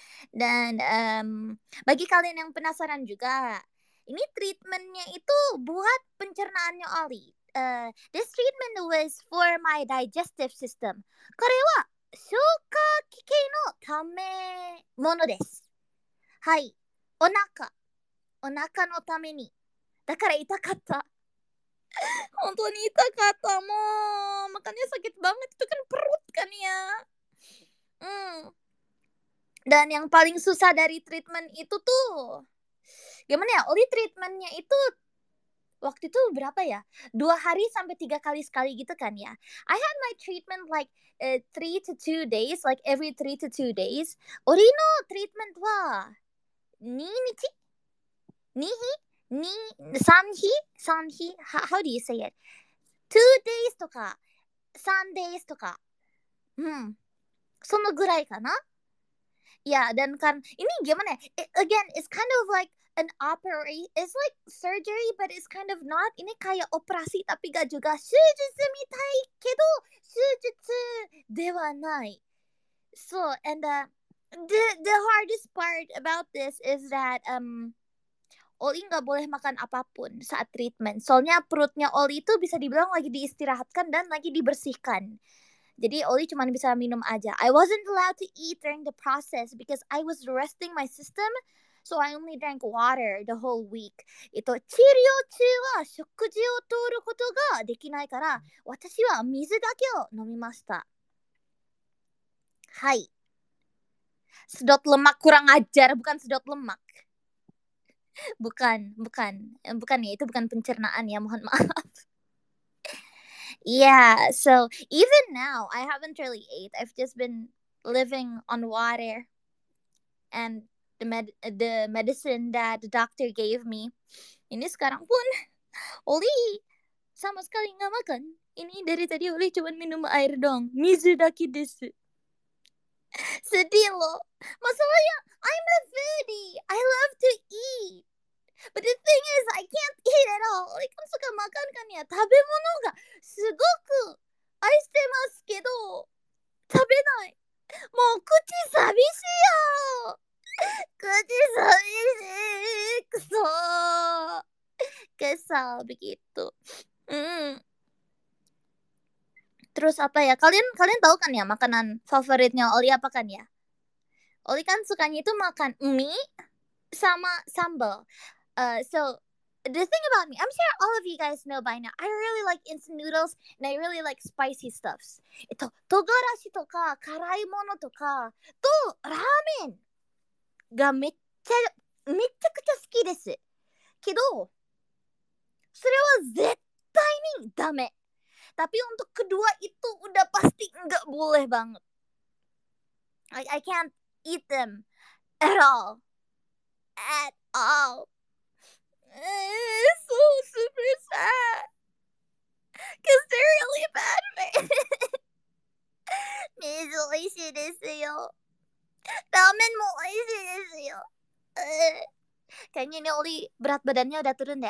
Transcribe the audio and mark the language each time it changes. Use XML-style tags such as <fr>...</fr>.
<id>Dan bagi kalian yang penasaran juga, ini treatmentnya itu buat pencernaannya Oli.</id> <en>This treatment was for my digestive system.</en> <ja>これは消化器系のためものです。はい、お腹のために。だから痛かった。本当に痛かったもう。</ja> <id>makanya sakit banget itu kan perut kan ya. Dan yang paling susah dari treatment itu tuh, gimana ya, Oli treatmentnya itu, waktu itu berapa ya? 2 hari sampai 3 kali sekali gitu kan ya.</id> <en>I had my treatment like 3 to 2 days, like every 3 to 2 days.</en> <ja>Oli no treatment wa, 2日?2日?</ja> <en>3日?3日?How do you say it?</en> <ja>2 days とか、3 days とか。そのぐらいかな。</ja> <en>Yeah,</en> <id>dan kan ini gimana?</id> <en>Again, it's kind of like an operation. It's like surgery, but it's kind of not.</en> <id>Ini kayak operasi tapi gak juga.</id> <ja>手術みたいけど手術ではない.</ja> <en>So, and the hardest part about this is that</en> <id>Oli gak boleh makan apapun saat treatment. Soalnya perutnya Oli itu bisa dibilang lagi diistirahatkan dan lagi dibersihkan. Jadi Oli cuma bisa minum aja.</id> <en>I wasn't allowed to eat during the process because I was resting my system, so I only drank water the whole week.</en> <ja>Itu 治療中は食事を取ることができないから、私は水だけを飲みました。</ja> <id>はい。Sedot lemak kurang ajar, bukan sedot lemak. Bukan ya, itu bukan pencernaan ya, mohon maaf.</id> <en>Yeah, so even now, I haven't really ate. I've just been living on water and the medicine that the doctor gave me.</en> <id>Ini sekarang pun, Oli sama sekali gak makan. Ini dari tadi Oli cuma minum air dong.</id> <ja>Mizudaki desu.</ja> <id>Sedih loh.</id> <en>Masalahnya, I'm a foodie. I love to eat. But the thing is, I can't eat at all.</en> <id>Oli kan suka makan kan ya.</id> <ja>食べ物がすごく愛してますけど、食べない。もう口寂しいよ。口寂しい。くそ。くそ、begitu.</ja> <id>Terus apa ya? Kalian tahu kan ya makanan favoritnya Oli apa kan ya? Oli kan sukanya itu makan mie sama sambal.</id> <en>So, the thing about me, I'm sure all of you guys know by now, I really like instant noodles, and I really like spicy stuffs.</en> <ja>Togarashi とか辛いものとかとラーメンがめっちゃくちゃ好きです。けど、それは絶対にダメ。</ja> <id>Tapi untuk kedua itu udah pasti enggak boleh banget.</id> <en>I can't eat them at all. At all. It's so super sad. Cause they're really bad, man.</en> <ja>みずおいしいですよ。ラーメンもおいしいですよ。</ja> <id>kayaknya ini Oli berat badannya udah turun deh.</id>